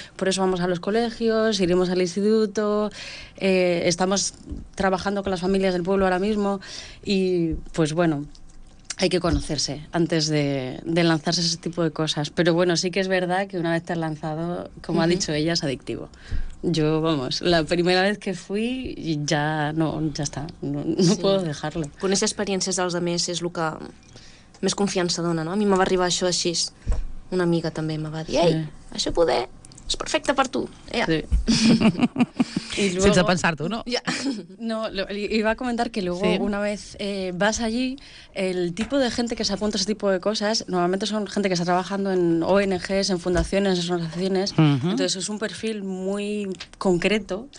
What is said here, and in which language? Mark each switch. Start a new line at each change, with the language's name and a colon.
Spanish: Por eso vamos a los colegios, iremos al instituto, estamos trabajando con las familias del pueblo ahora mismo y, pues, bueno... Hay que conocerse antes de lanzarse ese tipo de cosas. Pero bueno, sí que es verdad que una vez te has lanzado, como ha dicho ella, es adictivo. Yo, vamos, la primera vez que fui, ya no, ya está. No puedo dejarlo.
Catalan: Conèixer experiències dels altres és el que més confiança dona, no? A mi me va arribar això així. Una amiga també me va dir, ei, això poder és perfecte per tu. Ea. Sí.
Spanish: Y luego,
Catalan: sense pensar-t'ho, no?
Spanish: Ya. No, iba a comentar que luego una vez vas allí, el tipo de gente que se apunta a ese tipo de cosas, normalmente son gente que está trabajando en ONGs, en fundaciones, en asociaciones, entonces es un perfil muy concreto.